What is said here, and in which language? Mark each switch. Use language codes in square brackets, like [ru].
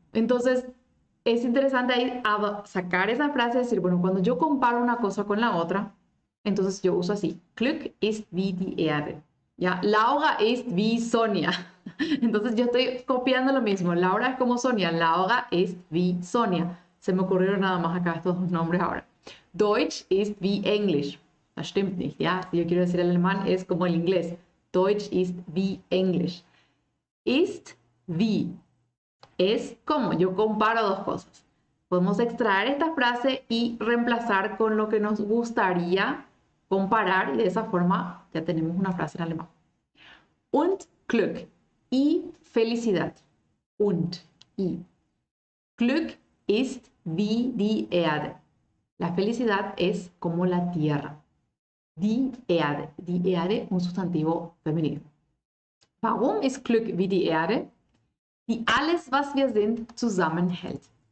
[es] Entonces, es interesante ahí sacar esa frase y decir, bueno, cuando yo comparo una cosa con la otra, entonces yo uso así. [de] Glück ist wie die Erde. Ya, Laura es wie Sonia. [es] Entonces yo estoy copiando lo mismo. Laura es como Sonia. Laura es wie Sonia. Se me ocurrieron nada más acá estos dos nombres ahora. [de] Deutsch ist wie Englisch. Das stimmt nicht, ¿ya? [es] Si yo quiero decir el alemán, es como el inglés. [de] Deutsch ist wie Englisch. Ist wie. [es] Es como. Yo comparo dos cosas. Podemos extraer esta frase y reemplazar con lo que nos gustaría comparar y de esa forma. Ya tenemos una frase en alemán. [de] Und Glück. [es] Y felicidad. Und. Y. [de] Glück ist wie die Erde. [es] La felicidad es como la tierra. [de] Die Erde. Die Erde, [es] un sustantivo femenino. [de] Warum ist Glück wie die Erde? Die alles, was wir sind, zusammenhält.